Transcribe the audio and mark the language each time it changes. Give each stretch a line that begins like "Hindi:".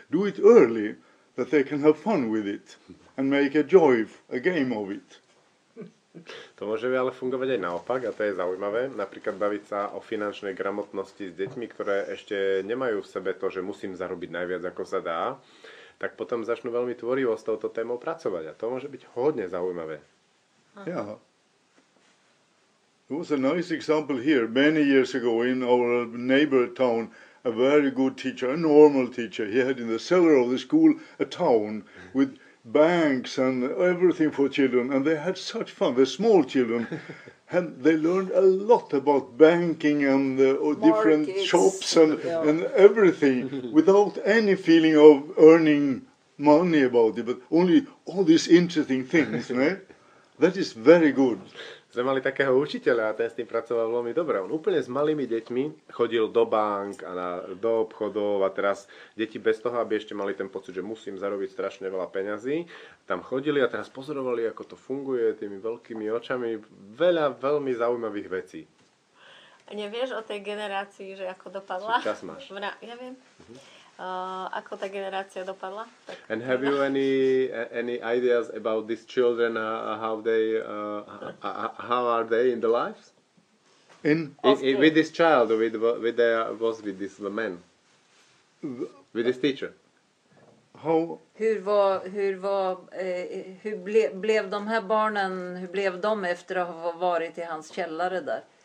English: Do it early, that they can have fun with it and make a joy, a game of it.
Slovak: To môže ale fungovať aj naopak a to je zaujímavé. Napríklad baviť sa o finančnej gramotnosti s deťmi, ktoré ešte nemajú v sebe to, že musím zarobiť najviac, ako sa dá, tak potom začnú veľmi tvorivo s touto témou pracovať. A to môže byť hodne zaujímavé. Yeah.
English: There was a nice example here many years ago in our neighbor town. A very good teacher, a normal teacher. He had in the cellar of the school a town with banks and everything for children. And they had such fun, the small children. And they learned a lot about banking and the different shops and, yeah, and everything without any feeling of earning money about it, but only all these interesting things. That is very good.
Slovak: Sme mali takého učiteľa a ten s tým pracoval veľmi dobre. On úplne s malými deťmi chodil do bank a do obchodov a teraz deti bez toho, aby ešte mali ten pocit, že musím zarobiť strašne veľa peňazí, tam chodili a teraz pozorovali, ako to funguje tými veľkými očami. Veľa veľmi zaujímavých vecí. Nevieš o tej generácii, že ako dopadla? Čas máš. Ja viem. Ako tá generácia dopadla?
English: And have you any ideas about these children, how they how are they in the lives? In with this child, with this man. With this teacher.
Swedish: Hur blev de här barnen, hur blev de efter att ha varit i hans källare där?